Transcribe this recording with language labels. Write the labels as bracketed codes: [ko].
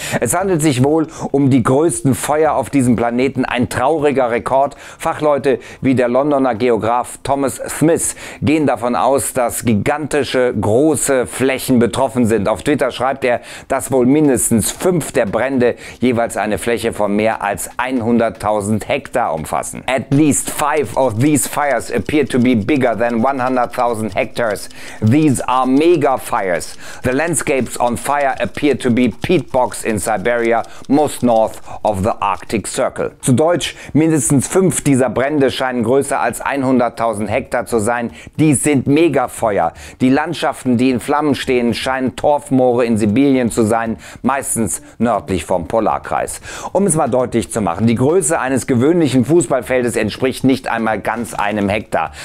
[de] Es handelt sich wohl um die größten Feuer auf diesem Planeten, ein trauriger Rekord. Fachleute wie der Londoner Geograf Thomas Smith gehen davon aus, dass gigantische, große Flächen betroffen sind. Auf Twitter schreibt er, dass wohl mindestens 5 der Brände jeweils eine Fläche von mehr als 100.000 Hektar umfassen. [en] At least 5 of these fires appear to be bigger than 100.000 hectares. These are mega fires. The landscapes on fire appear to be peat bogs in Siberia, most north of the Arctic Circle. [de] Zu Deutsch, mindestens 5 dieser Brände scheinen größer als 100.000 Hektar zu sein. Dies sind Megafeuer. Die Landschaften, die in Flammen stehen, scheinen Torfmoore in Sibirien zu sein, meistens nördlich vom Polarkreis. Um es mal deutlich zu machen, die Größe eines gewöhnlichen Fußballfeldes entspricht nicht einmal ganz einem Hektar.